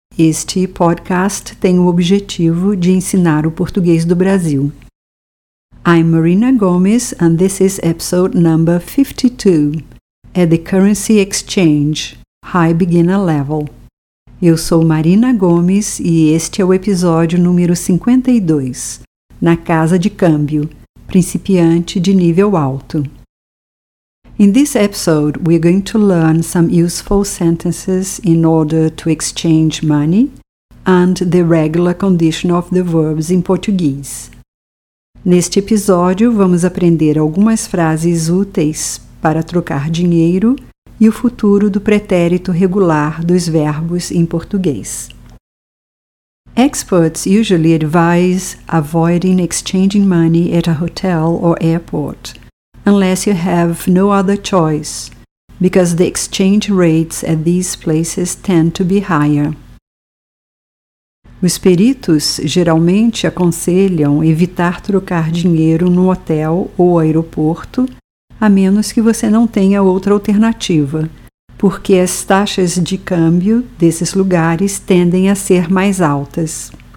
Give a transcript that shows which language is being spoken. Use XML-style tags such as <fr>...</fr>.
<pt>Este podcast tem o objetivo de ensinar o português do Brasil.</pt> <en>I'm Marina Gomes and this is episode number 52, at the currency exchange, high beginner level.</en> <pt>Eu sou Marina Gomes e este é o episódio número 52, na casa de câmbio, principiante de nível alto.</pt> <en>In this episode, we're going to learn some useful sentences in order to exchange money and the regular condition of the verbs in Portuguese.</en> <pt>Neste episódio, vamos aprender algumas frases úteis para trocar dinheiro e o futuro do pretérito regular dos verbos em português.</pt> <en>Experts usually advise avoiding exchanging money at a hotel or airport, unless you have no other choice, because the exchange rates at these places tend to be higher.</en> <pt>Os peritos geralmente aconselham evitar trocar dinheiro no hotel ou aeroporto, a menos que você não tenha outra alternativa, porque as taxas de câmbio desses lugares tendem a ser mais altas.</pt>